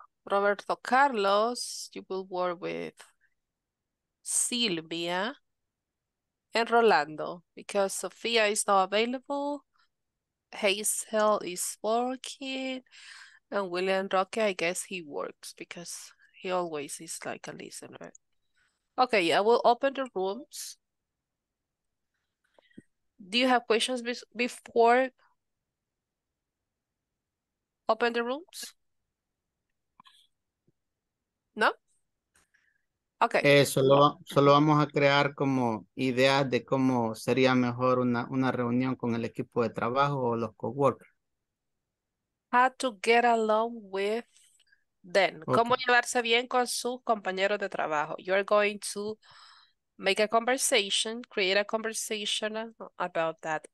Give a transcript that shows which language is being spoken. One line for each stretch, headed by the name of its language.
English: Roberto Carlos, you will work with Silvia and Rolando, because Sofia is not available, Hazel is working, and William Roque, I guess he works because he always is like a listener. Okay, I will open the rooms. Do you have questions before open the rooms? No? Okay.
Spanish: Solo vamos a crear como ideas de cómo sería mejor una reunión con el equipo de trabajo o los coworkers.
English: How to get along with them. Okay.
Spanish: Cómo llevarse bien con sus compañeros de trabajo.
English: You're going to make a conversation, create a conversation about that.